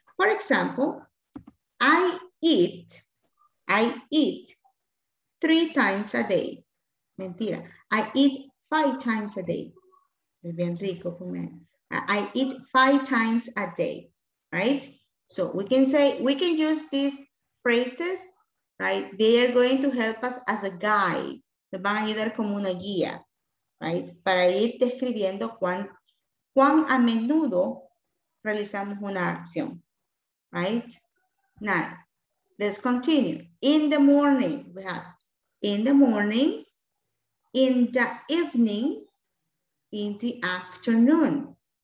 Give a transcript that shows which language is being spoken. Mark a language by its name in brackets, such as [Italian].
[English] For example, I eat 3 times a day. [Spanish] Mentira. [English] I eat 5 times a day. [Spanish] Es bien rico comer. [English] I eat 5 times a day, right? So we can say, we can use these phrases, right? They are going to help us as a guide. [Spanish] Nos van a ayudar como una guía, right? Para ir describiendo cuán a menudo realizamos una acción, right? [English] Now, let's continue. In the morning, we have in the morning, in the evening, in the afternoon.